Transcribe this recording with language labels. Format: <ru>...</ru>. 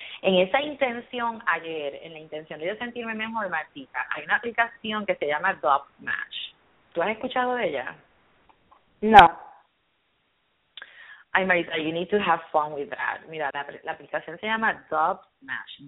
<es>En esa intención ayer, en la intención de yo sentirme mejor, Martita, hay una aplicación que se llama Dubmatch. ¿Tú has escuchado de ella? No.</es> <en>Ay, Marita, you need to have fun with that.</en> <es>Mira, la aplicación se llama Dubmatch.</es>